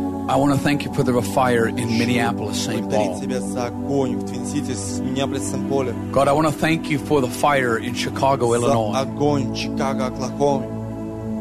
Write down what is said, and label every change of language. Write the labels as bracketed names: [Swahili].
[English] I want to thank you for the fire in Minneapolis, St. Paul. [Russian] Благодарю тебя за огонь в Твин Ситис, Миннеаполис, Сент-Поле. [English] God, I want to thank you for the fire in Chicago, Illinois. [Russian] За огонь в Чикаго, Оклахома.